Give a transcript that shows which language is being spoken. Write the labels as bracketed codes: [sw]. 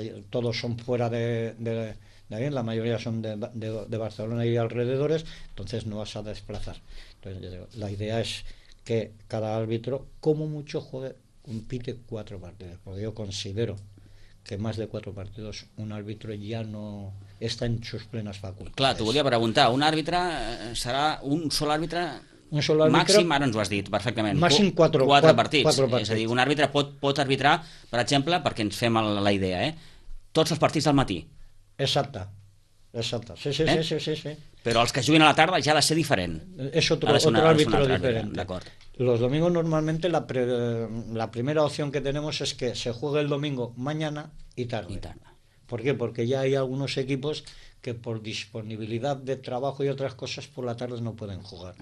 [es] Todos son fuera de bien, la mayoría son de Barcelona y alrededores, entonces no vas a desplazar. Entonces, yo digo, la idea es que cada árbitro, como mucho, juegue, compite cuatro partidos, porque yo considero que más de cuatro partidos un árbitro ya no está en sus plenas facultades. [ca] Clar, t'ho volia preguntar, un àrbitre serà un sol àrbitre? Un sol àrbitre? Màxim, ara ens ho has dit perfectament. Màxim quatre partits. És a dir, un àrbitre pot arbitrar, per exemple, perquè ens fem la idea, tots els partits del matí. Exacte. Sí. Però els que juguin a la tarda ja ha de ser diferent. [es] És otro árbitro diferente. [ca] D'acord. [es] Los domingos normalmente la primera opción que tenemos es que se juegue el domingo mañana y tarde. ¿Por qué? Porque ya hay algunos equipos que por disponibilidad de trabajo y otras cosas por la tarde no pueden jugar.